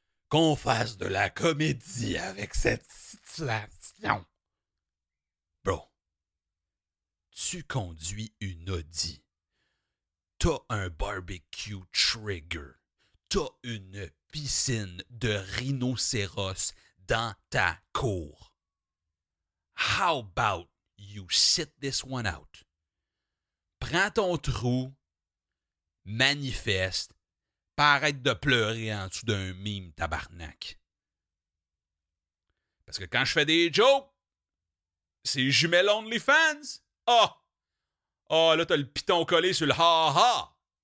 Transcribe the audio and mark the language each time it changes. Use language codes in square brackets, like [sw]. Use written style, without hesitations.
[fr] qu'on fasse de la comédie avec cette situation. Bro, tu conduis une Audi. T'as un barbecue trigger. T'as une piscine de rhinocéros dans ta cour. [en] How about you sit this one out? [fr] Prends ton trou, manifeste, pas arrête de pleurer en dessous d'un mime tabarnak. Parce que quand je fais des jokes, c'est jumelles OnlyFans. Ah, là, t'as le piton collé sur le ha-ha.